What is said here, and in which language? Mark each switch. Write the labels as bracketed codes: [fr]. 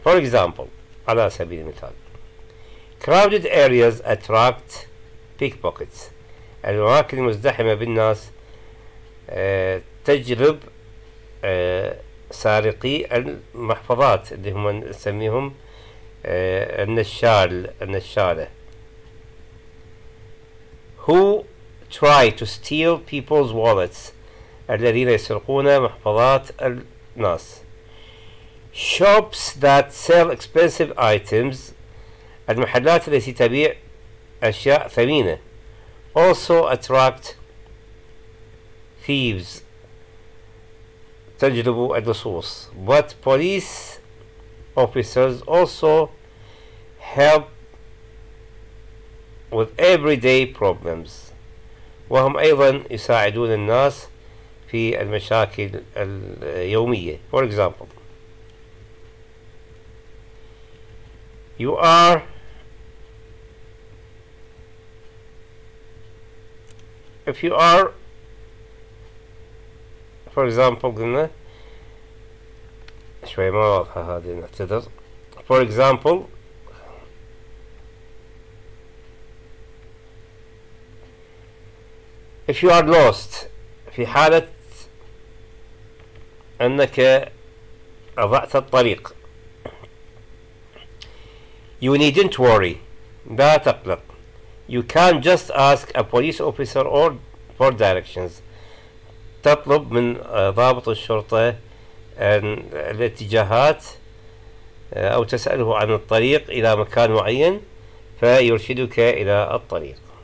[en] For example، [ar] على سبيل المثال، [en] crowded areas attract pickpockets، [ar] الأماكن المزدحمة بالناس تجذب سارقي المحفظات، اللي هم نسميهم النشالة. [en] Who try to steal people's wallets، [ar] الذين يسرقون محفظات الناس. [en] Shops that sell expensive items، [ar] المحلات التي تبيع أشياء ثمينة. [en] Also attract thieves، [ar] تجذب اللصوص. [en] But police officers also help with everyday problems، [ar] وهم أيضا يساعدون الناس في المشاكل اليومية. [en] For example، you are if you are for example [ar] قلنا شوي ما واضحة هذه، نعتذر. [en] For example if you are lost، [ar] في حالة أنك أضعت الطريق. [en] You needn't worry، [ar] لا تقلق. [en] You can just ask a police officer or for directions، [ar] تطلب من ضابط الشرطة الاتجاهات أو تسأله عن الطريق إلى مكان معين فيرشدك إلى الطريق.